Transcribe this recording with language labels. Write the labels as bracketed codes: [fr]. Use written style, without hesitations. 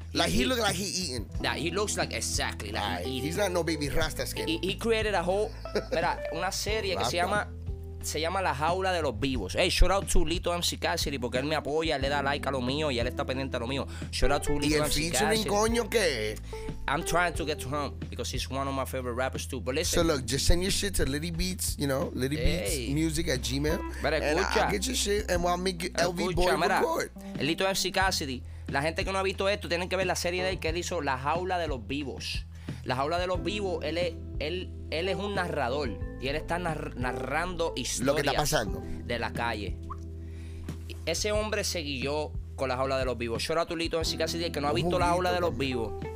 [en] Like he looked like he eating. Nah, he looks like exactly like he eating. He's not no baby Rasta skin. He created a whole, [es] mira, una serie que se llama La Jaula de los Vivos. [en] Hey, shout out to [es] Lito MC Cassidy porque él me apoya, él le da like a lo mío y él está pendiente a lo mío. [en] Shout out to Lito MC Cassidy. [es] ¿Y el featuring coño qué? [en] I'm trying to get to him because he's one of my favorite rappers too. But listen. So look, just send your shit to Litty Beats, you know, Litty Beats Music at Gmail. [es] Pero escucha. [en] And I'll get your shit and while make LV Boy [es] mira, [en] record. [es] El Lito MC Cassidy, la gente que no ha visto esto tienen que ver la serie de él que él hizo, La Jaula de los Vivos. La Jaula de los Vivos, él es un narrador y él está narrando historias. Lo que está pasando. De la calle. Ese hombre se guió con La Jaula de los Vivos. Yo era Tulito en Cicasi, que no ha visto La Jaula de los Vivos.